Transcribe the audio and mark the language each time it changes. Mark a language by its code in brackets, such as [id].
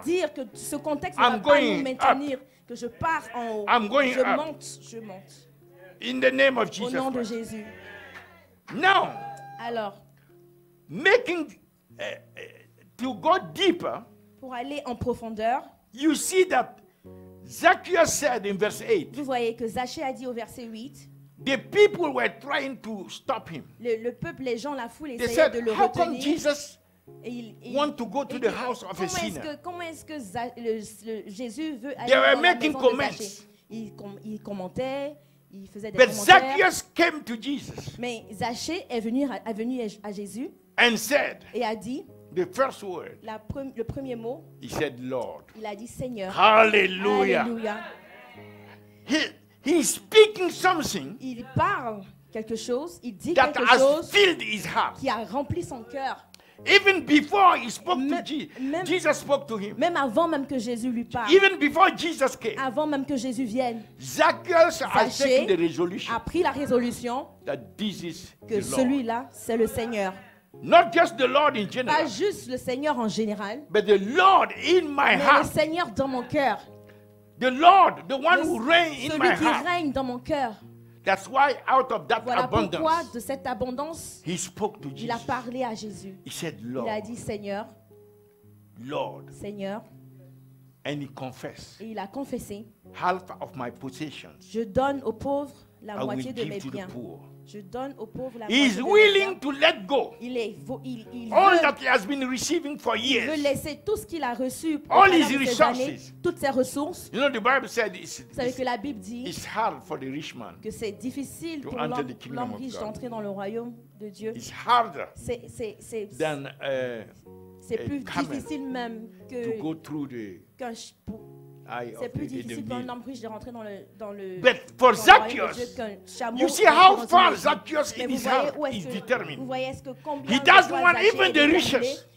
[fr] Et dire que ce contexte ne va pas nous maintenir, [en] up. [fr] Que je pars en haut, [en] I'm going [fr] je [en] up. [fr] Monte, je monte. [en] In the name of Jesus [fr] au nom [en] Christ. [fr] De Jésus. [en] Now, [fr] alors, [en] making to go deeper, [fr] pour aller en profondeur. [en] You see that Zacchaeus said in verse 8. [fr] Vous voyez que Zachée a dit au verset 8. [en] The people were trying to stop him. [fr] Le peuple, les gens, la foule essayaient de le retenir. [en] How come Jesus want to go to the house of a sinner? [fr] Comment est-ce que Jésus veut aller? [en] They were making comments. [fr] Ils commentaient, ils faisaient des commentaires. [en] But Zacchaeus came to Jesus. [fr] Mais Zachée est venu à Jésus. [en] And said. [fr] Et a dit. [en] The first word, [fr] le premier mot, [en] he said, Lord. [fr] Il a dit Seigneur. Hallelujah. Hallelujah. [en] He's speaking something. [fr] Il parle quelque chose. Il dit [en] that [fr] quelque [en] has [fr] chose [en] filled his heart. [fr] Qui a rempli son cœur. [en] Even before he spoke to Jesus spoke to him. [fr] Même avant même que Jésus lui parle. [en] Even before Jesus came. [fr] Avant même que Jésus vienne. [en] Zacchaeus has taken the resolution. [fr] A pris la résolution. [en] That this is [fr] que celui-là, c'est le Seigneur. [en] Not just the Lord in general. [fr] Pas juste le Seigneur en général. [en] But the Lord in my heart. [fr] Le Seigneur dans mon cœur. [en] The Lord, the one who reigns in my heart. [fr] Celui qui règne dans mon cœur. [en] That's why out of that [fr] voilà [en] abundance. [fr] Pourquoi de cette abondance. [en] He spoke to Jesus. [fr] Il a parlé à Jésus. [en] He said, Lord. [fr] Il a dit Seigneur. [en] Lord. [fr] Seigneur. [en] And he confessed. [fr] Et il a confessé. [en] Half of my possessions. [fr] Je donne aux pauvres la [en] I [fr] moitié de mes biens. [en] The poor. [fr] Je donne aux pauvres la [en] He is willing to let go. [fr] Il est il [en] all [fr] veut, [en] that he has been receiving for years. [fr] Il veut laisser tout ce qu'il a reçu [en] all his resources. [fr] Années, toutes ses ressources. [en] You know the Bible said it's, [fr] vous savez que la Bible dit [en] it's hard for the rich man [fr] que c'est difficile [en] to [fr] pour [en] enter [fr] l'homme, [en] the kingdom [fr] l'homme riche d'entrer dans le royaume de Dieu. [en] It's harder [fr] c'est [en] than a, [fr] c'est plus [en] a [fr] difficile même que [en] to go through the [fr] qu'un chpou. C'est plus difficile pour un homme riche de rentrer dans le [en] but for Zacchaeus, you see how far Zacchaeus in his heart is determined. [fr] Vous voyez que [en] he doesn't want even the riches.